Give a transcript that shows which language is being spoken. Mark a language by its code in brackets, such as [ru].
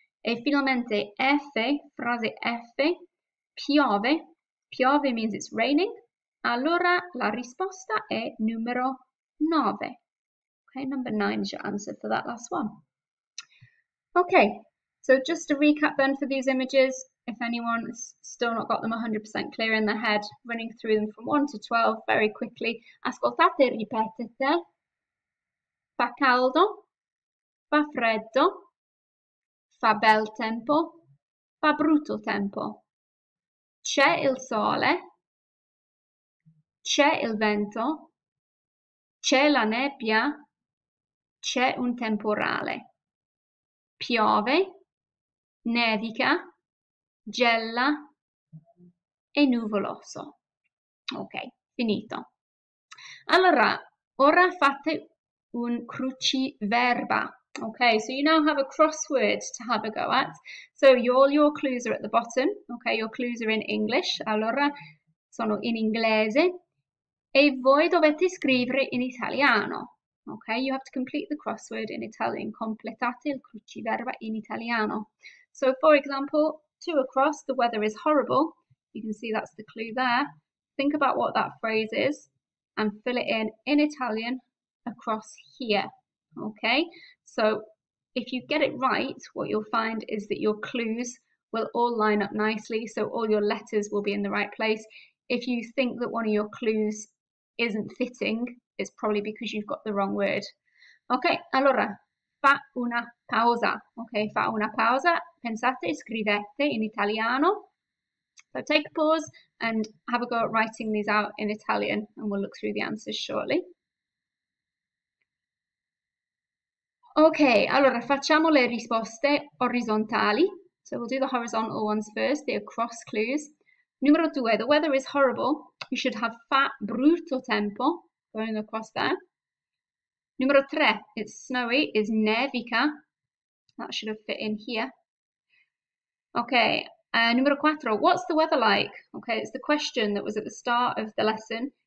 [it] E finalmente F, frase F, piove, piove [en] means it's raining, [it] allora la risposta è numero 9, [en] okay, number 9 is your answer for that last one. Okay, so just to recap then for these images. If anyone's still not got them 100% clear in their head, running through them from 1 to 12 very quickly. [it] Ascoltate e ripetete. Fa caldo, fa freddo, fa bel tempo, fa brutto tempo. C'è il sole, c'è il vento, c'è la nebbia, c'è un temporale. Piove, nevica. Gella e nuvoloso. Ok, finito. Allora, ora fate un cruciverba. [en] Ok, so you now have a crossword to have a go at. So all your clues are at the bottom. Ok, your clues are in English. [it] Allora, sono in inglese. E voi dovete scrivere in italiano. [en] Ok, you have to complete the crossword in Italian. [it] Completate il cruciverba in italiano. [en] So, for example, two across, the weather is horrible. You can see that's the clue there. Think about what that phrase is and fill it in Italian across here. Okay, so if you get it right, what you'll find is that your clues will all line up nicely, so all your letters will be in the right place. If you think that one of your clues isn't fitting, it's probably because you've got the wrong word. [it] Okay, allora. Fa una pausa, ok? Fa una pausa, pensate e scrivete in italiano. [en] So take a pause and have a go at writing these out in Italian and we'll look through the answers shortly. [it] Ok, allora facciamo le risposte orizzontali. [en] So we'll do the horizontal ones first, the across clues. [it] Numero due, [en] the weather is horrible. You should have [it] fa brutto tempo, [en] going across there. [it] Numero tre, [en] it's snowy, is nevica. That should have fit in here. Okay, [it] numero quattro, [en] what's the weather like? Okay, it's the question that was at the start of the lesson.